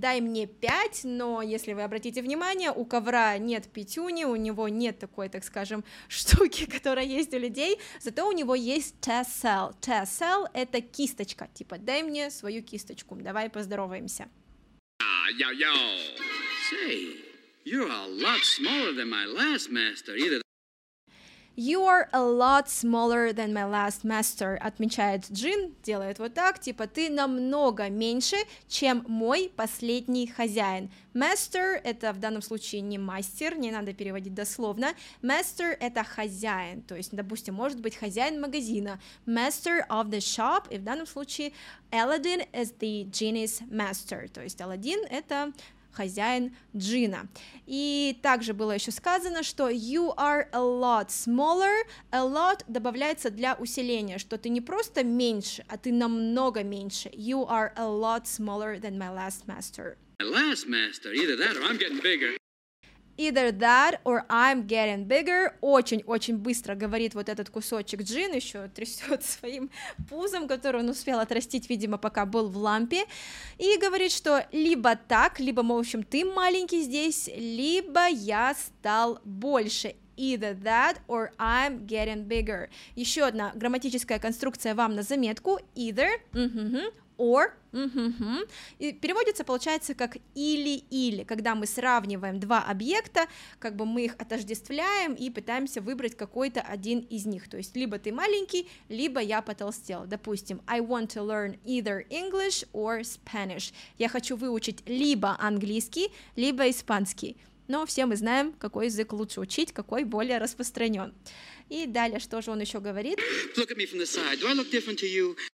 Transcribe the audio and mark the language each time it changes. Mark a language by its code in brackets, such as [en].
[ru] Дай мне пять, но если вы обратите внимание, у ковра нет пятюни, у него нет такой, так скажем, штуки, которая есть у людей, зато у него есть tassel. Tassel — это кисточка, типа дай мне свою кисточку, давай поздороваемся. [en] Yo-yo, say... You're a lot smaller than my last master, either. You are a lot smaller than my last master, [ru] отмечает Джин, делает вот так, типа ты намного меньше, чем мой последний хозяин. Master — это в данном случае не мастер, не надо переводить дословно. Master — это хозяин, то есть, допустим, может быть хозяин магазина. [en] Master of the shop, [ru] и в данном случае [en] Aladdin is the genie's master, [ru] то есть Aladdin — это... хозяин джина. И также было еще сказано, что [en] you are a lot smaller, [ru] a lot добавляется для усиления, что ты не просто меньше, а ты намного меньше. [en] You are a lot smaller than my last master. My last master, either that or I'm getting bigger. Either that or I'm getting bigger. [ru] Очень-очень быстро говорит вот этот кусочек Джин, еще трясет своим пузом, который он успел отрастить, видимо, пока был в лампе. И говорит, что либо так, либо, в общем, ты маленький здесь, либо я стал больше. [en] Either that or I'm getting bigger. [ru] Еще одна грамматическая конструкция вам на заметку. Either, or, и переводится, получается, как или-или, когда мы сравниваем два объекта, как бы мы их отождествляем и пытаемся выбрать какой-то один из них, то есть либо ты маленький, либо я потолстел, допустим, [en] I want to learn either English or Spanish, [ru] я хочу выучить либо английский, либо испанский, но все мы знаем, какой язык лучше учить, какой более распространен. И далее, что же он еще говорит? [en] Look at me from the side, do I look different to you?